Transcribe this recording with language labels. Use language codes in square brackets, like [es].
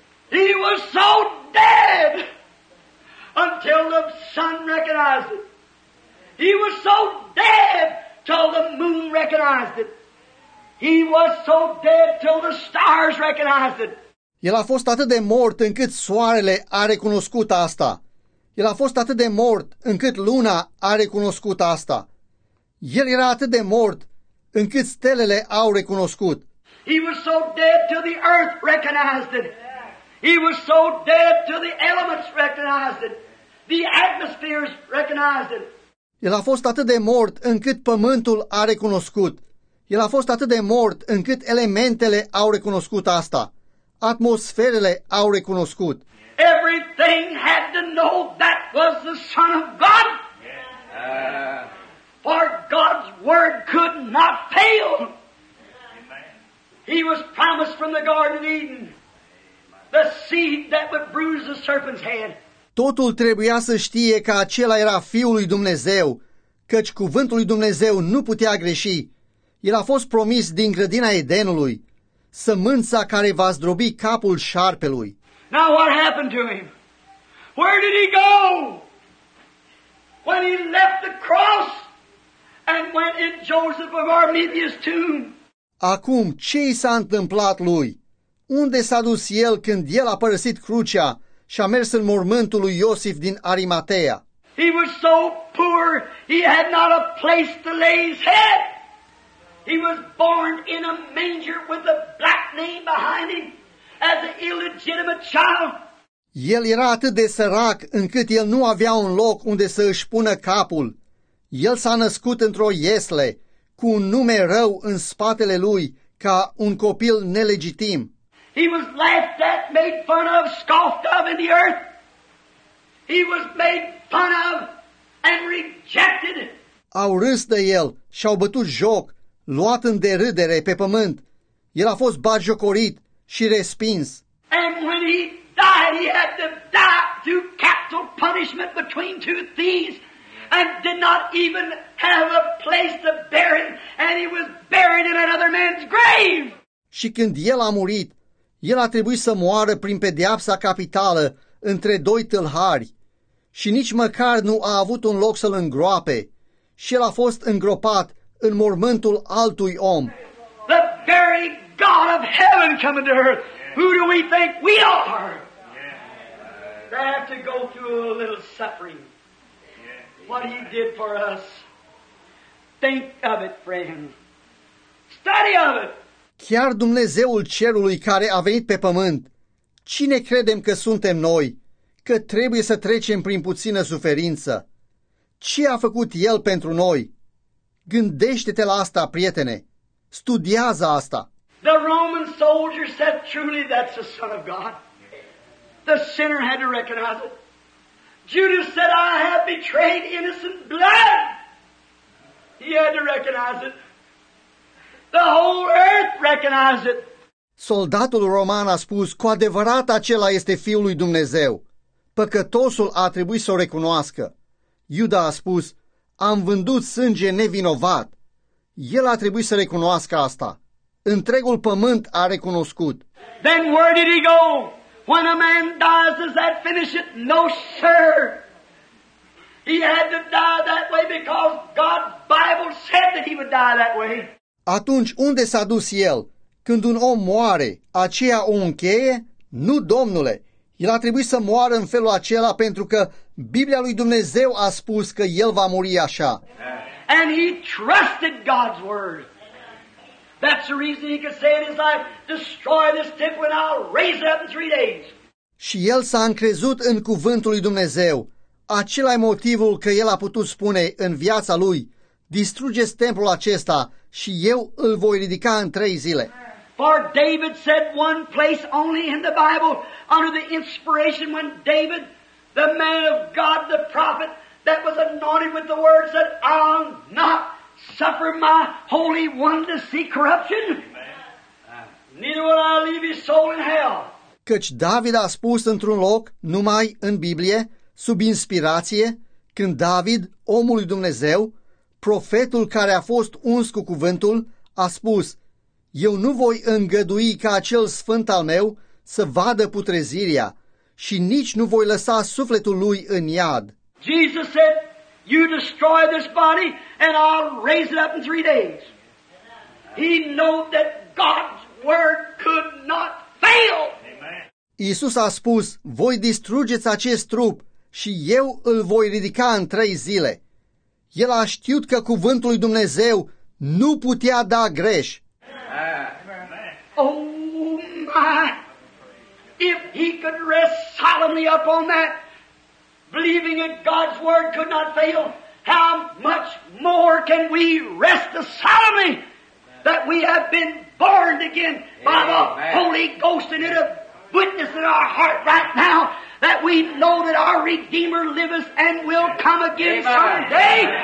[en] He was so dead until the sun recognized it. He was so dead till the moon recognized it. He was so dead till the stars recognized it. [ro] El a fost atât de mort încât soarele a recunoscut asta. El a fost atât de mort încât luna a recunoscut asta. El era atât de mort încât stelele au recunoscut. [en] He was so dead till the earth recognized it. He was so dead till the elements recognized it. The atmospheres recognized it. [ro] El a fost atât de mort încât pământul a recunoscut. El a fost atât de mort încât elementele au recunoscut asta. Atmosferele au recunoscut. [en] Everything had to know that was the Son of God. For God's word could not fail. He was promised from the Garden of Eden. The seed that would bruise the serpent's head. [ro] Totul trebuia să știe că acela era Fiul lui Dumnezeu, căci cuvântul lui Dumnezeu nu putea greși. El a fost promis din grădina Edenului, sămânța care va zdrobi capul șarpelui. [en] Now what happened to him? Where did he go? When he left the cross and went in Joseph of Arimathea's tomb. [ro] Acum, ce i s-a întâmplat lui? Unde s-a dus el când el a părăsit crucea și a mers în mormântul lui Iosif din Arimatea? [en] He was so poor, he had not a place to lay his head. He was born in a manger with a black name behind him as an illegitimate child. [ro] El era atât de sărac încât el nu avea un loc unde să își pună capul. El s-a născut într-o iesle cu un nume rău în spatele lui ca un copil nelegitim. [en] He was laughed at, made fun of, scoffed of in the earth. He was made fun of and rejected. [ro] Au râs de el și au bătut joc, luat în derâdere pe pământ. El a fost batjocorit și respins. [en] And when he died, he had to die through capital punishment between two thieves and did not even have a place to bury, and he was buried in another man's grave. [ro] Și când el a murit, el a trebuit să moară prin pedeapsa capitală între doi tâlhari și nici măcar nu a avut un loc să-l îngroape și el a fost îngropat în mormântul altui om. [en] The very God of heaven coming to earth. Who do we think we are? They have to go through a little suffering. What he did for us. Think of it, friend. Study of it. [ro] Chiar Dumnezeul cerului care a venit pe pământ, cine credem că suntem noi, că trebuie să trecem prin puțină suferință? Ce a făcut El pentru noi? Gândește-te la asta, prietene. Studiază asta. [en] The Roman soldier said, truly, that's the Son of God. The sinner had to recognize it. Judas said, I have betrayed innocent blood. He had to recognize it. The whole earth recognized it. [ro] Soldatul roman a spus, cu adevărat acela este Fiul lui Dumnezeu. Păcătosul a trebuit să o recunoască. Iuda a spus, am vândut sânge nevinovat. El a trebuit să recunoască asta. Întregul pământ a recunoscut. [en] Then where did he go? When a man dies, does that finish it? No, sir. He had to die that way because God's Bible said that he would die that way. [ro] Atunci, unde s-a dus el? Când un om moare, aceea o încheie? Nu, domnule. El a trebuit să moară în felul acela pentru că Biblia lui Dumnezeu a spus că el va muri așa. [en] And he trusted God's word. That's the reason he could say in his life, destroy this temple and I'll raise it up in 3 days. [ro] Și el s-a încrezut în cuvântul lui Dumnezeu. Acela e motivul că el a putut spune în viața lui, distrugeți templul acesta și eu îl voi ridica în 3 zile. [en] For David said one place only in the Bible under the inspiration when David, the man of God, the prophet that was anointed with the word said, I'll not suffer my holy one to see corruption. Neither will I leave his soul in hell. [ro] Căci David a spus într-un loc, numai în Biblie, sub inspirație, când David, omul lui Dumnezeu, profetul care a fost uns cu cuvântul, a spus, eu nu voi îngădui ca acel sfânt al meu să vadă putrezirea și nici nu voi lăsa sufletul lui în iad. [en] Jesus said, you destroy this body and I'll raise it up in 3 days. He knew that God's word could not fail. [ro] Iisus a spus, voi distrugeți acest trup și eu îl voi ridica în 3 zile. El a știut că cuvântul lui Dumnezeu nu putea da greș. [en] Oh my! If he could rest solemnly upon that, believing that God's word could not fail, how much more can we rest solemnly that we have been born again by the Holy Ghost and it a witness in our heart right now that we know that our Redeemer liveth and will come again someday?